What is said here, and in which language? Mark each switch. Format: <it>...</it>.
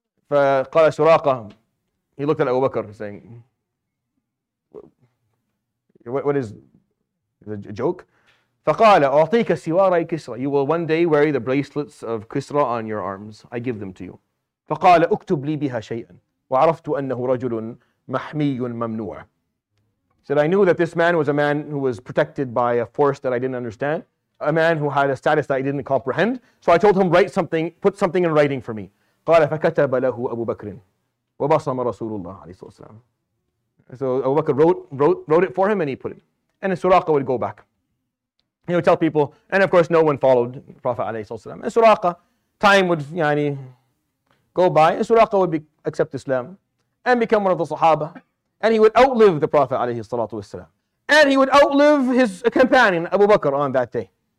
<ar>فقال سراقة,</ar> <en>he looked at أبو بكر saying, what is the joke?</en> <ar>فقال أعطيك سواري كسرى,</ar> <en>you will one day wear the bracelets of كسرى on your arms, I give them to you.</en> <ar>فقال أكتب لي بها شيئا وعرفت أنه رجل محمي ممنوع.</ar> <en>Said, I knew that this man was a man who was protected by a force that I didn't understand, a man who had a status that I didn't comprehend. So I told him, write something, put something in writing for me.</en> <ar>قال فكتب له أبو بكر وبصم رسول الله عليه الصلاة والسلام.</ar> <en>So Abu Bakr wrote it for him and he put it. And Suraqa would go back. He would tell people, and of course no one followed Prophet</en> <ar>عليه الصلاة والسلام.</ar> <en>And Suraqa, time would go by, and Suraqa would accept Islam and become one of the Sahaba. And he would outlive the Prophet</en> <ar>عليه الصلاة والسلام.</ar> <en>And he would outlive his companion, Abu Bakr, on that day.</en>